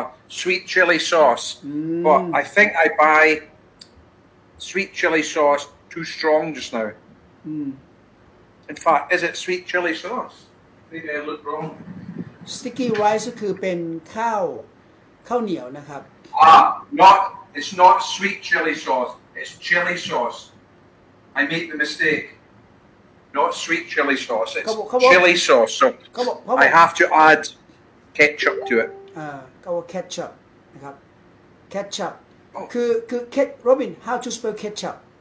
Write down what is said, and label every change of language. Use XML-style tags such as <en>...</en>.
<en>sweet chili sauce but I think I buy sweet chili sauce too strong just now in fact is it sweet chili sauce I look wrong sticky rice</en> <th>ก็คือเป็นข้าวเหนียวนะครับ</th> <en>not it's not sweet chili sauce it's chili sauce I made the mistake not sweet chili sauce it's chili sauce so I have to add ketchup to it ketchup</en> <th>นะครับ</th> <en>ketchup คือ Robin how to spell ketchup</en>